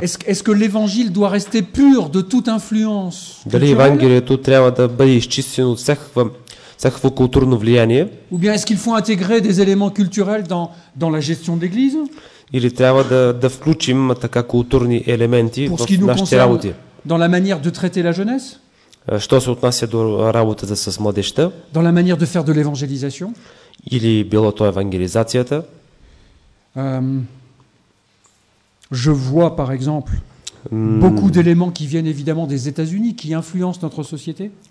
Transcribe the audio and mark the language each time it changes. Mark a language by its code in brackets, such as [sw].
[fr] Est-ce que l'évangile doit rester pur de toute influence? [bg] Дали евангелието трябва да бъде изчистено от всякакво културно влияние? [fr] Ou bien est-ce qu'il faut intégrer des éléments culturels dans la gestion de l'église? [bg] Или трябва да включим така културни елементи в нашите работи? [fr] Dans la manière de traiter la jeunesse? [bg] Що се отнася до работата с младежта? [fr] Dans la manière de faire de l'évangélisation? [bg] Или било то евангелизацията? [fr] Je vois par exemple beaucoup d'éléments qui viennent évidemment des États-Unis qui influencent notre société.